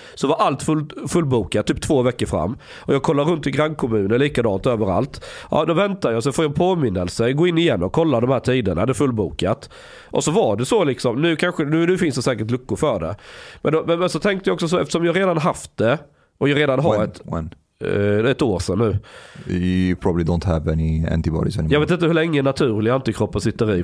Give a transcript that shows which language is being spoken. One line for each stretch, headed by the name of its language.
Swedish: Så var allt fullbokat, typ 2 veckor fram. Och jag kollar runt i grannkommunen, likadant överallt. Ja, då väntar jag, så får jag en påminnelse. Gå in igen och kolla de här tiderna, det är fullbokat. Och så var det så liksom, nu finns det säkert luckor för det. Men så tänkte jag också så, eftersom jag redan haft det, och jag redan har ett år sedan nu.
English: You probably don't have any antibodies anymore.
Swedish: Jag vet inte hur länge naturliga antikroppar sitter i.